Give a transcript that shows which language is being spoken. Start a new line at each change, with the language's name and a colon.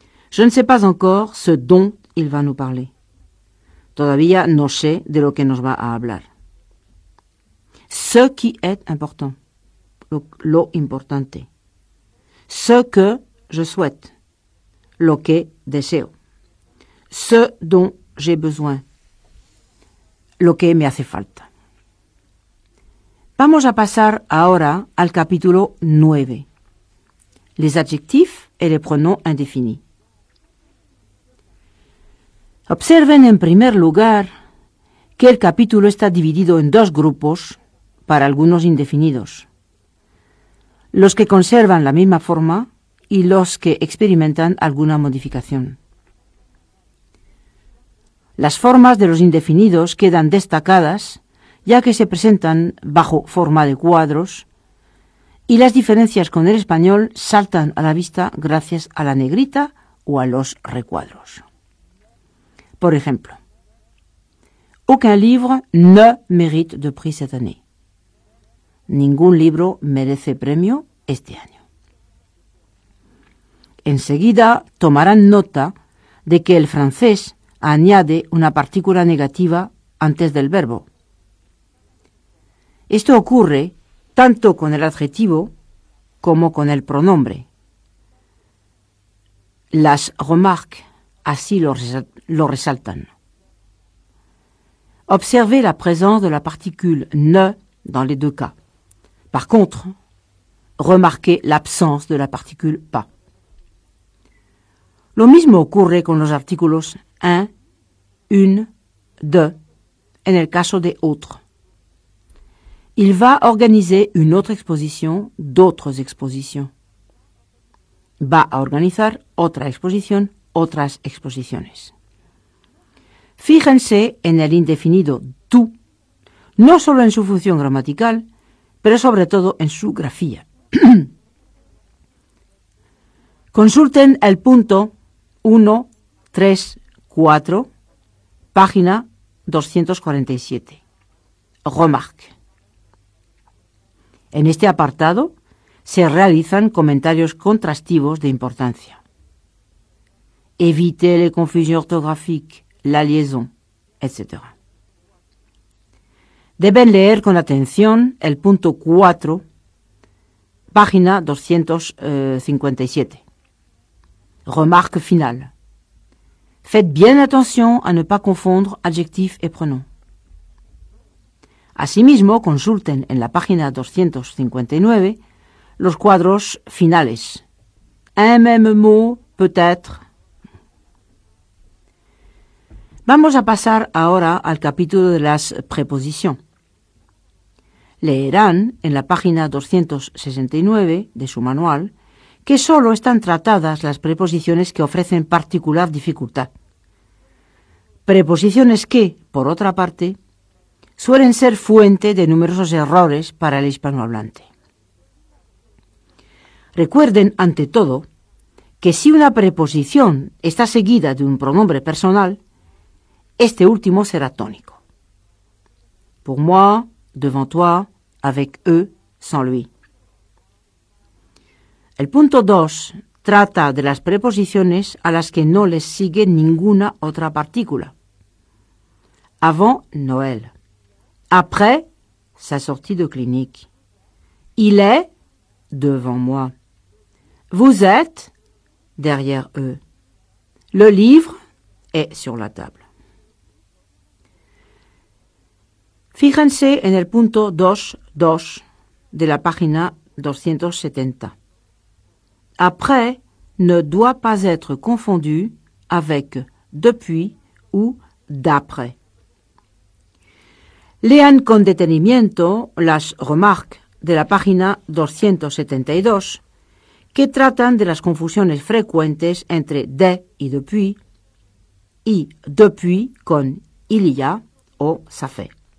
French: Je ne sais pas encore ce dont il va nous parler.
Spanish: Todavía no sé de lo que nos va a hablar.
French: Ce qui est important,
Spanish: lo importante.
French: ce que je souhaite,
Spanish: lo que deseo,
French: ce dont j'ai besoin,
Spanish: lo que me hace falta. Vamos a pasar ahora al capítulo 9,
French: les adjectifs et les pronoms indéfinis.
Spanish: Observen en primer lugar que el capítulo está dividido en dos grupos para algunos indefinidos, los que conservan la misma forma y los que experimentan alguna modificación. Las formas de los indefinidos quedan destacadas, ya que se presentan bajo forma de cuadros, y las diferencias con el español saltan a la vista gracias a la negrita o a los recuadros. Por ejemplo,
French: aucun livre ne mérite de prix cette année.
Spanish: Ningún libro merece premio este año. Enseguida tomarán nota de que el francés añade una partícula negativa antes del verbo. Esto ocurre tanto con el adjetivo como con el pronombre. Las remarques así lo resaltan.
French: Observez la présence de la particule ne dans les deux cas. Par contre, remarquez l'absence de la particule pas.
Spanish: Lo mismo ocurre con los artículos un, une, de, en el caso de autre.
French: Il va organiser une autre exposition, d'autres expositions.
Spanish: Va a organizar otra exposición, otras exposiciones. Fíjense en el indefinido tú, no solo en su función gramatical, pero sobre todo en su grafía. Consulten el punto 1, 3, 4, página 247. Remarque. En este apartado se realizan comentarios contrastivos de importancia.
French: Évitez la confusión ortográfica. La liaison, etc.
Spanish: Deben leer con atención el punto 4, página 257.
French: Remarque finale. Faites bien attention à ne pas confondre adjectifs et pronoms.
Spanish: Asimismo, consulten en la página 259 los cuadros finales.
French: Un même mot peut-être.
Spanish: Vamos a pasar ahora al capítulo de las preposiciones. Leerán en la página 269 de su manual que solo están tratadas las preposiciones que ofrecen particular dificultad. Preposiciones que, por otra parte, suelen ser fuente de numerosos errores para el hispanohablante. Recuerden, ante todo, que si una preposición está seguida de un pronombre personal, este último será tónico.
French: Pour moi, devant toi, avec eux, sans lui.
Spanish: El punto 2 trata de las preposiciones a las que no les sigue ninguna otra partícula.
French: Avant Noël. Après sa sortie de clinique. Il est devant moi. Vous êtes derrière eux. Le livre est sur la table.
Spanish: Fíjense en el punto 2.2 de la página 270.
French: Après ne doit pas être confondu avec depuis ou d'après.
Spanish: Lean con detenimiento las remarques de la página 272 que tratan de las confusiones frecuentes entre de y depuis y depuis con il y a o ça fait.